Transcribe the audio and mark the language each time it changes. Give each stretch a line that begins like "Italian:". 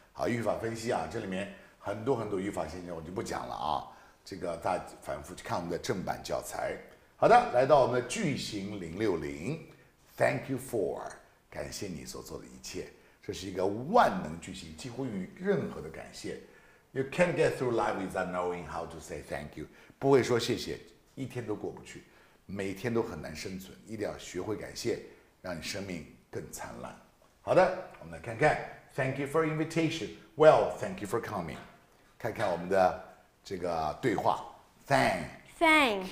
Chinese: 好语法分析啊，这里面很多很多语法现象我就不讲了啊，这个大家反复去看我们的正版教材。好的，来到我们的句型060。 Thank you for. 感谢你所做的一切。这是一个万能句型，几乎与任何的感谢。
English: You can't get through life without knowing how to say thank you.
Chinese: 不会说谢谢，一天都过不去，每天都很难生存。一定要学会感谢，让你生命更灿烂。
English: 好的，我们来看看。 Thank you for invitation. Well, thank you for coming.
Chinese: 看看我们的这个对话。
English: Thank